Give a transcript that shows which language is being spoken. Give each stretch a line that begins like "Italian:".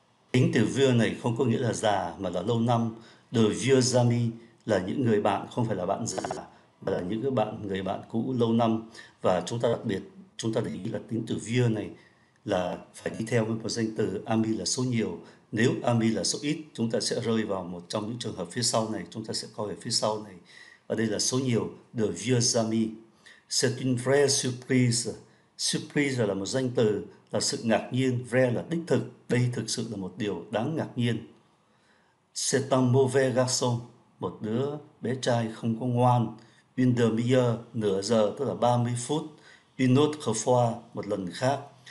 Vietnamese: Tính từ vieux này không có nghĩa là già mà là lâu năm.
French: De vieux amis
Vietnamese: là những người bạn, không phải là bạn già, là những cái bạn người bạn cũ lâu năm. Và chúng ta đặc biệt chúng ta để ý là tính từ vieux này là phải đi theo với một danh từ ami là số nhiều. Nếu ami là số ít, chúng ta sẽ rơi vào một trong những trường hợp phía sau này, chúng ta sẽ coi ở phía sau này. Ở đây là số nhiều, the vieux ami.
French: C'est une vraie surprise.
Vietnamese: Surprise là một danh từ, là sự ngạc nhiên. Vraie là đích thực, đây thực sự là một điều đáng ngạc nhiên.
French: C'est un mauvais garçon,
Vietnamese: một đứa bé trai không có ngoan.
French: Une demi-heure,
Vietnamese: nửa giờ, tức là 30 phút.
French: Une autre fois,
Vietnamese: một lần khác.